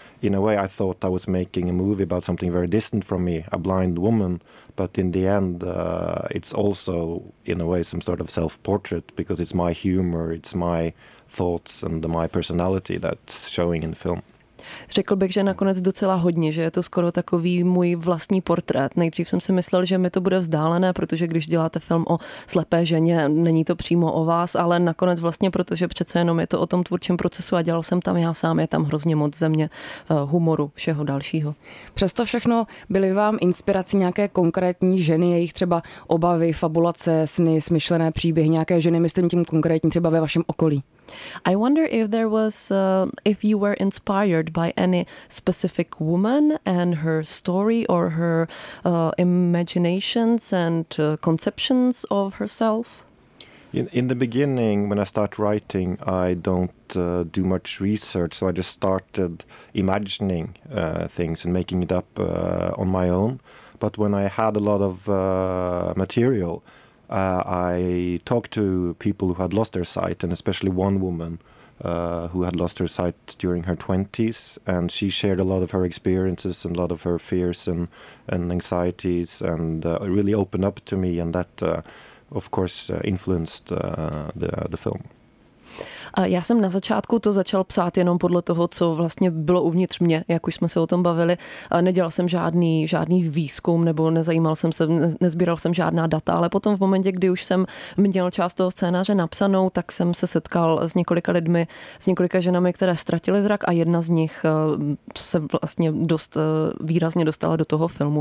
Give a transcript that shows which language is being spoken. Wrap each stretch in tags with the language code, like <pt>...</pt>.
<en>In a way, I thought I was making a movie about something very distant from me, a blind woman. But in the end, it's also, in a way, some sort of self-portrait because it's my humor, it's my thoughts and my personality that's showing in the film.</en> <cs>Řekl bych, že nakonec docela hodně, že je to skoro takový můj vlastní portrét. Nejdřív jsem si myslel, že mi to bude vzdálené, protože když děláte film o slepé ženě, není to přímo o vás, ale nakonec vlastně, protože přece jenom je to o tom tvůrčím procesu a dělal jsem tam já sám, je tam hrozně moc země, humoru, všeho dalšího. Přesto všechno byly vám inspirací nějaké konkrétní ženy, jejich třeba obavy, fabulace, sny, smyšlené příběhy, nějaké ženy, myslím tím konkrétní třeba ve vašem okolí.</cs> <en>I wonder if there was if you were inspired by any specific woman and her story or her imaginations and conceptions of herself. In the beginning, when I start writing, I don't do much research, so I just started imagining things and making it up on my own. But when I had a lot of material, I talked to people who had lost their sight, and especially one woman who had lost her sight during her 20s, and she shared a lot of her experiences and a lot of her fears and anxieties, and really opened up to me, and that, of course, influenced the film.</en> <cs>Já jsem na začátku to začal psát jenom podle toho, co vlastně bylo uvnitř mě, jak už jsme se o tom bavili. Nedělal jsem žádný výzkum nebo nezajímal jsem se, nezbíral jsem žádná data, ale potom v momentě, kdy už jsem měl část toho scénáře napsanou, tak jsem se setkal s několika lidmi, s několika ženami, které ztratily zrak a jedna z nich se vlastně dost výrazně dostala do toho filmu.</cs>